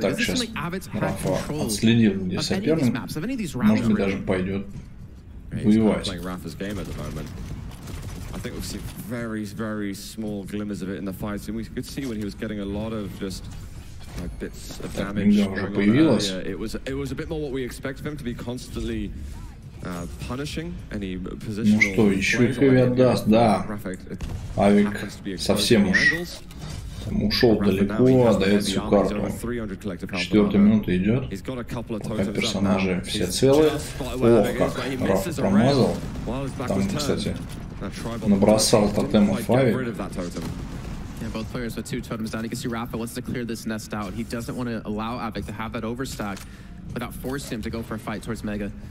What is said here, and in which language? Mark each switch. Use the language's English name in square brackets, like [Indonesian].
[English] It doesn't seem like Av3k had control of any of these maps, of any of these rounds. [Russian] Может быть, даже пойдет воевать. [English] I think we've seen very, very small glimmers of it in the fights, and we could see when he was getting a lot of just like bits of damage. [Russian] Так, уже появилась. [English] It was a bit more what we expect of him to be constantly [Russian] Ну что, еще и привет даст, да. Av3k совсем уж там ушел далеко, отдает всю карту. Четвертая минута идет. Пока персонажи все целые. О, как Rapha промазал. Там, кстати, набросал тотема Av3k. [English] Yeah, both players with two totems down. You can see Rapha wants to clear this nest out. He doesn't want to allow Av3k to have that overstock without forcing him to go for a fight towards Mega.